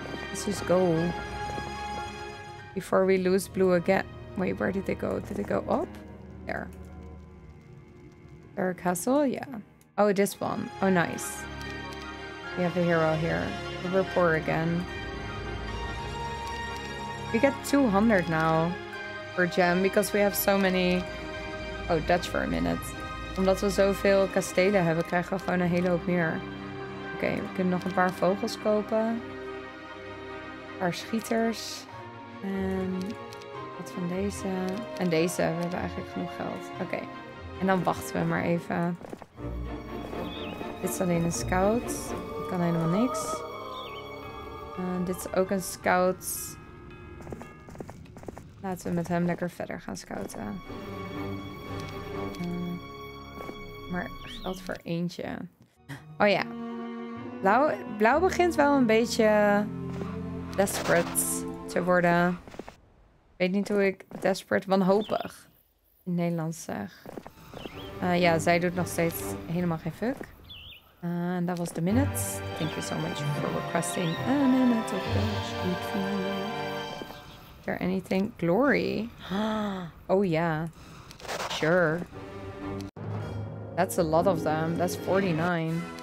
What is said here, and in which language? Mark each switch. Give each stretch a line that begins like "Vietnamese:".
English: Let's just go. Before we lose blue again. Wait, where did they go? Did they go up? There. Their castle? Yeah. Oh, this one. Oh, nice. We have a hero here. We're poor again. We get 200 now per gem because we have so many. Oh, Dutch for a minute.
Dutch: Omdat we zoveel kastelen hebben, krijgen we gewoon een hele hoop meer. Oké, we kunnen nog een paar vogels kopen. Een paar schieters. En wat van deze. En deze, we hebben eigenlijk genoeg geld. Oké, en dan wachten we maar even. Dit is alleen een scout. Ik kan helemaal niks. Dit is ook een scout. Laten we met hem lekker verder gaan scouten. Maar geld voor eentje. Oh ja. Blauw begint wel een beetje desperate te worden. Ik weet niet hoe ik desperate wanhopig in het Nederlands zeg. Ja, zij doet nog steeds helemaal geen fuck. En dat was de minute.
English: Thank you so much for requesting a minute of the street for you. Is there anything? Glory?
Dutch: Oh ja.
English: Yeah. Sure. That's a lot of them. That's 49.